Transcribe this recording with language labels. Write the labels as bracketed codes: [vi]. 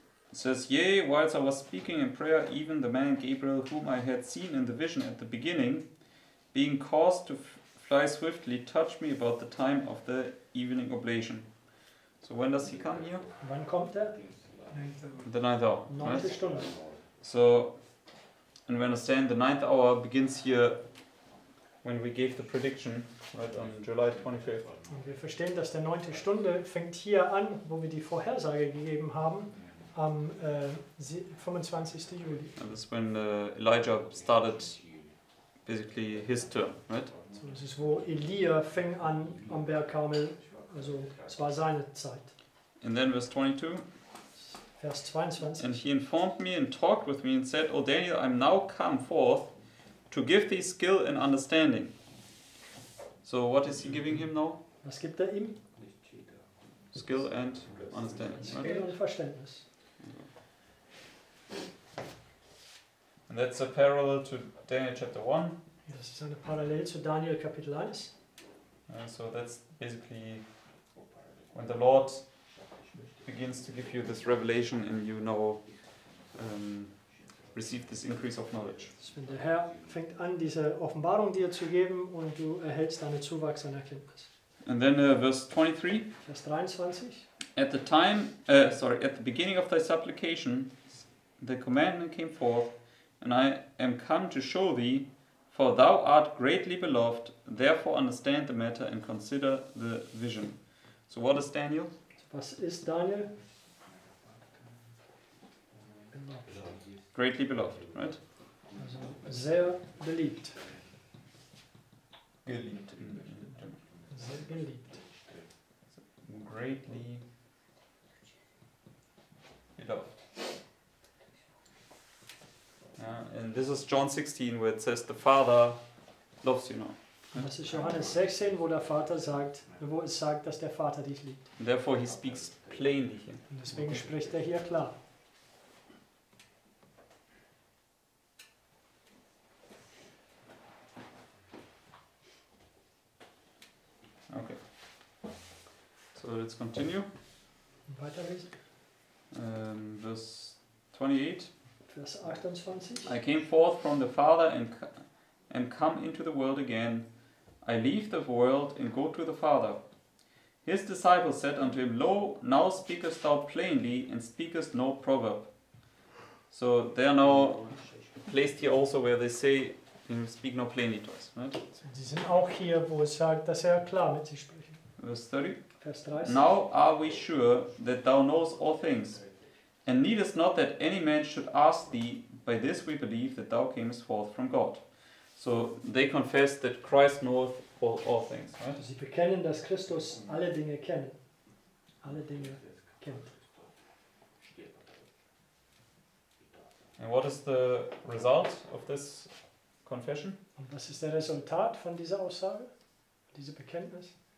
[en] It says, yea, whilst I was speaking in prayer, even the man Gabriel, whom I had seen in the vision at the beginning, being caused to fly swiftly, touched me about the time of the evening oblation. So when does he come here? [de] Wann kommt er? [en] The ninth hour. [de] Neunte Stunde. [en] So, and we understand the ninth hour begins here when we gave the prediction, right, on July 25th. [de] Und wir verstehen, dass der neunte Stunde fängt hier an, wo wir die Vorhersage gegeben haben, am 25. Juli. [en] And that's when Elijah started basically his term, right? [de] So das ist, wo Elia fing an am Berg Karmel, also es war seine Zeit. [en] And then verse 22. [de] Vers 22. [en] And he informed me and talked with me and said, O Daniel, I'm now come forth to give thee skill and understanding. So what is he giving him now? [de] Was gibt er ihm? [en] Skill and understanding. Skill, right? [de] Und Verständnis. [en] And that's a parallel to Daniel chapter 1. [de] Das ist eine Parallel zu Daniel Kapitel 1. [en] So that's basically when the Lord begins to give you this revelation and you now receive this increase of knowledge. [de] Wenn der Herr fängt an, diese Offenbarung dir zu geben und du erhältst eine Zuwachs an Erkenntnis. [en] And then verse 23. [de] Vers 23. [en] At the time, at the beginning of thy supplication, the commandment came forth, and I am come to show thee, for thou art greatly beloved, therefore understand the matter and consider the vision. So what is Daniel? [de] Was ist Daniel? [en] Greatly beloved, right? [de] Also sehr beliebt. Geliebt. Sehr geliebt. [en] Greatly beloved. And this is John 16, where it says the Father loves you now. [de] Das ist Johannes 16, wo der Vater sagt, wo es sagt, dass der Vater dich liebt. [en] And therefore he speaks plainly here. [de] Und deswegen spricht er hier klar. [en] Okay. So let's continue. [de] Weiterlesen. [en] Verse 28. [de] Vers 28. [en] I came forth from the Father and come into the world again. I leave the world and go to the Father. His disciples said unto him, Lo, now speakest thou plainly and speakest no proverb. So they are now placed here also where they say, speak no plainly to us. Right? [de] Sie sind auch hier, wo es sagt, dass er klar mit sich spricht. [en] Verse 30. [de] Vers 30. [en] Now are we sure that thou knowest all things, and needest not that any man should ask thee. By this we believe that thou camest forth from God. So they confess that Christ knoweth all things. Right? [de] Sie bekennen, dass Christus alle Dinge kennt. Alle Dinge kennt. [en] And what is the result of this confession? [de] Und was ist der Resultat von dieser Aussage, diese Bekenntnis?